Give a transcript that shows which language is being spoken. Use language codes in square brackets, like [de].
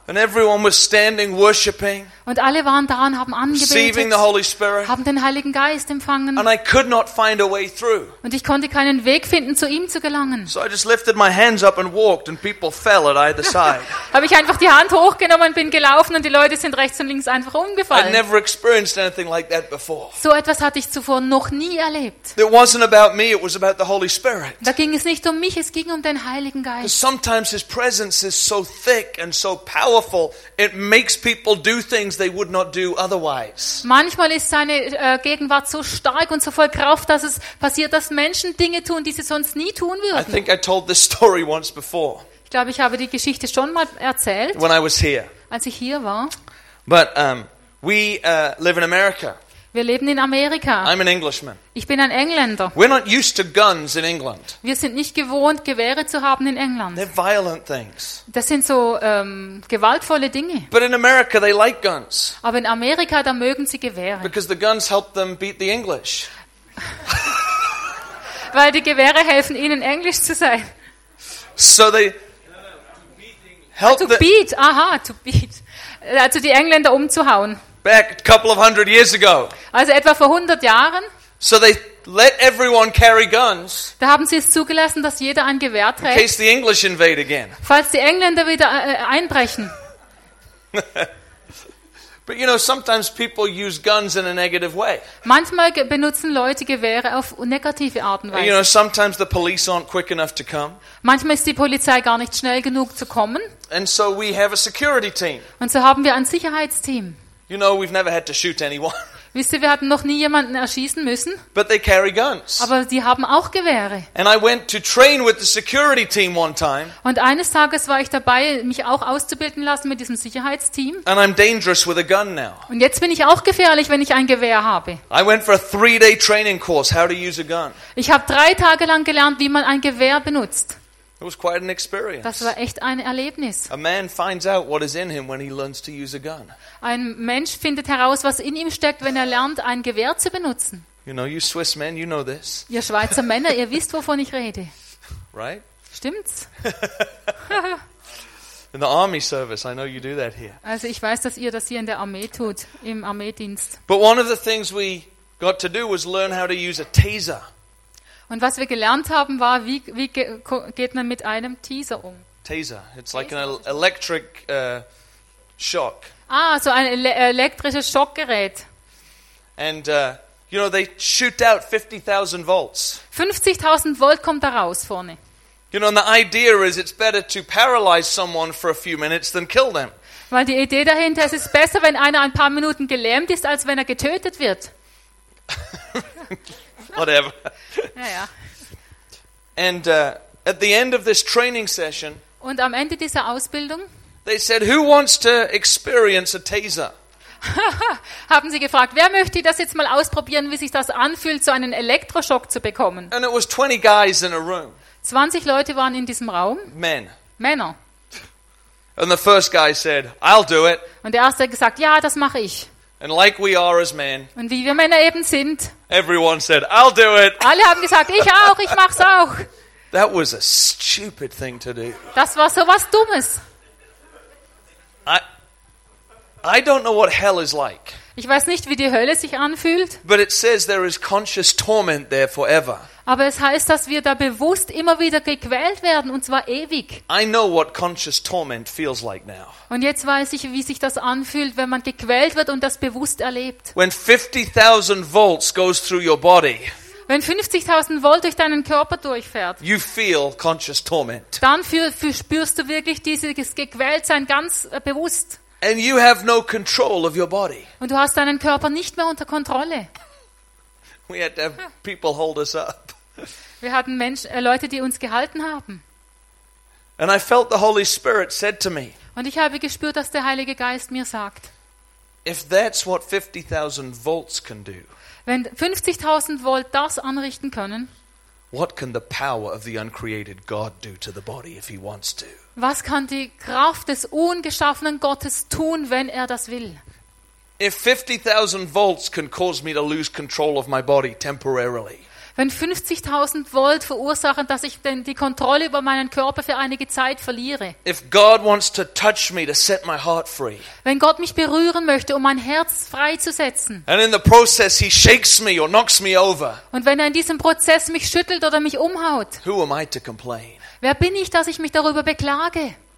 [en] And everyone was standing worshiping. [de] Und alle waren da und haben angebetet. [en] Receiving the Holy Spirit. [de] Haben den Heiligen Geist empfangen. [en] And I could not find a way through. [de] Und ich konnte keinen Weg finden, zu ihm zu gelangen. [en] So I just lifted my hands up and walked and people fell at either side. [de] habe ich einfach die Hand hochgenommen, bin gelaufen und die Leute sind rechts und links einfach umgefallen. [en] I never experienced anything like that before. [de] So etwas hatte ich zuvor noch nie erlebt. [en] It wasn't about me, it was about the Holy Spirit. [de] Da ging es nicht um mich, es ging um den Heiligen Geist. [en] Because sometimes his presence is so thick and so powerful, it makes people do things they would not do otherwise. [de] Manchmal ist seine Gegenwart so stark und so voll Kraft, dass es passiert, dass Menschen Dinge tun, die sie sonst nie tun würden. [en] I think I told this story once before. [de] Ich glaube, ich habe die Geschichte schon mal erzählt. [en] When I was here. [de] Als ich hier war. [en] But live in America. [de] Wir leben in Amerika. [en] I'm an Englishman. [de] Ich bin ein Engländer. [en] We're not used to guns in England. [de] Wir sind nicht gewohnt, Gewehre zu haben in England. [en] They're violent things. [de] Das sind so gewaltvolle Dinge. [en] But in America they like guns. [de] Aber in Amerika, da mögen sie Gewehre. [en] Because the guns help them beat the English. [de] Weil die Gewehre helfen ihnen, Englisch zu sein. [en] So they help to beat. Aha, to beat. [de] Also die Engländer umzuhauen. [en] Back a couple of hundred years ago. [de] Also etwa vor 100 Jahren. [en] So they let everyone carry guns. [de] Da haben sie es zugelassen, dass jeder ein Gewehr trägt. [en] In case the English invade again. [de] Falls die Engländer wieder einbrechen. [en] But you know, sometimes people use guns in a negative way. [de] Manchmal benutzen Leute Gewehre auf negative Art und Weise. [en] You know, sometimes the police aren't quick enough to come. [de] Manchmal ist die Polizei gar nicht schnell genug zu kommen. [en] And so we have a security team. [de] Und so haben wir ein Sicherheitsteam. [en] You know, we've never had to shoot anyone. [de] Wisst ihr, wir hatten noch nie jemanden erschießen müssen. [en] But they carry guns. [de] Aber die haben auch Gewehre. [en] And I went to train with the security team one time. [de] Und eines Tages war ich dabei, mich auch auszubilden lassen mit diesem Sicherheitsteam. [en] And I'm dangerous with a gun now. [de] Und jetzt bin ich auch gefährlich, wenn ich ein Gewehr habe. [en] I went for a 3-day training course, how to use a gun. [de] Ich habe 3 Tage lang gelernt, wie man ein Gewehr benutzt. [en] It was quite an experience. [de] Das war echt ein Erlebnis. [en] A man finds out what is in him when he learns to use a gun. [de] Ein Mensch findet heraus, was in ihm steckt, wenn er lernt, ein Gewehr zu benutzen. [en] You know, you Swiss men, you know this. [de] Ihr Schweizer Männer, ihr wisst, wovon ich rede. [en] Right? [de] Stimmt's? [en] In the army service, I know you do that here. [de] Also, ich weiß, dass ihr das hier in der Armee tut, im Armeedienst. [en] But one of the things we got to do was learn how to use a taser. [de] Und was wir gelernt haben, war, wie geht man mit einem Taser um? [en] Taser. It's like an electric shock. [de] Ah, so ein elektrisches Schockgerät. [en] And you know, they shoot out 50,000 volts. [de] 50,000 Volt kommt da raus vorne. [en] You know, and the idea is it's better to paralyze someone for a few minutes than kill them. [de] Weil die Idee dahinter ist, es ist besser, wenn einer ein paar Minuten gelähmt ist, als wenn er getötet wird. [en] Whatever. [de] Ja, ja. [en] And at the end of this training session, [de] und am Ende dieser Ausbildung, [en] they said, "Who wants to experience a taser?" [de] Haben sie gefragt, wer möchte das jetzt mal ausprobieren, wie sich das anfühlt, so einen Elektroschock zu bekommen? [en] And it was 20 guys in a room. [de] 20 Leute waren in diesem Raum. [en] Men. [de] Männer. [en] And the first guy said, "I'll do it." [de] Und der erste hat gesagt, ja, das mache ich. [en] And like we are as men. [de] Und wie wir Männer eben sind. [en] Everyone said, "I'll do it." [de] Alle haben gesagt, ich auch, ich mach's auch. [en] That was a stupid thing to do. [de] Das war sowas Dummes. [en] I don't know what hell is like. [de] Ich weiß nicht, wie die Hölle sich anfühlt. [en] But it says there is conscious torment there forever. [de] Aber es heißt, dass wir da bewusst immer wieder gequält werden, und zwar ewig. [en] I know what conscious torment feels like now. [de] Und jetzt weiß ich, wie sich das anfühlt, wenn man gequält wird und das bewusst erlebt. [en] When 50,000 volts goes through your body. [de] Wenn 50,000 Volt durch deinen Körper durchfährt, [en] you feel conscious torment. [de] Dann spürst du wirklich dieses Gequältsein ganz bewusst. [en] And you have no control of your body. [de] Und du hast deinen Körper nicht mehr unter Kontrolle. [en] We had to have people hold us up. [de] Wir hatten Leute, die uns gehalten haben. [en] And I felt the Holy Spirit said to me. [de] Und ich habe gespürt, dass der Heilige Geist mir sagt. [en] If that's what 50,000 volts can do. [de] Wenn 50,000 Volt das anrichten können. [en] What can the power of the uncreated God do to the body if he wants to? [de] Was kann die Kraft des ungeschaffenen Gottes tun, wenn er das will? [en] If 50,000 volts can cause me to lose control of my body temporarily. [de] Wenn 50,000 Volt verursachen, dass ich denn die Kontrolle über meinen Körper für einige Zeit verliere. [en] If God wants to touch me to set my heart free. [de] Wenn Gott mich berühren möchte, um mein Herz freizusetzen. [en] And in the process he shakes me or knocks me over. [de] Und wenn er in diesem Prozess mich schüttelt oder mich umhaut. [en] Who am I to complain? [de] Wer bin ich, dass ich mich darüber beklage?